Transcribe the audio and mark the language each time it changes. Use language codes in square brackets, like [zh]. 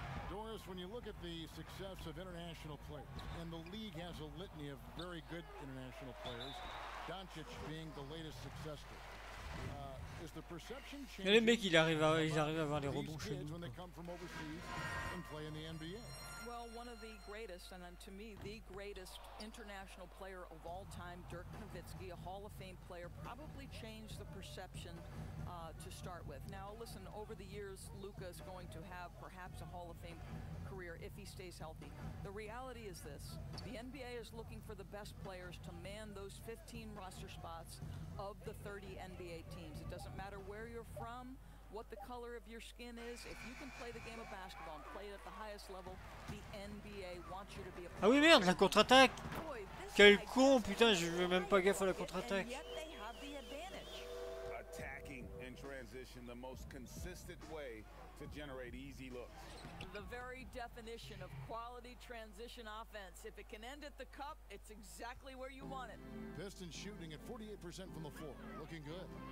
[en] Doris, when you look at the success of international players, and the league has a litany of very good international players, Doncic being the latest success story, is the perception changing? [fr] Les mecs, ils arrivent à avoir les rebonds chez nous. [en] When they come from overseas and play in the NBA. Well, one of the greatest, and to me, the greatest international player of all time, Dirk Nowitzki, a Hall of Fame player, probably changed the perception to start with. Now, listen, over the years, Luka is going to have perhaps a Hall of Fame career if he stays healthy. The reality is this. The NBA is looking for the best players to man those 15 roster spots of the 30 NBA teams. It doesn't matter where you're from. What the color of your skin is, if you can play the game of basketball and play it at the highest level, the NBA wants you to be a player. [fr] Ah oui, merde, la contre-attaque. Quel con, putain, je veux même pas gaffe à la contre-attaque. [en] Attacking and transition, the most consistent way to generate easy looks. The very definition of quality transition offense. If it can end at the cup, it's exactly where you want it. Pistons shooting at 48% from the floor. Looking good.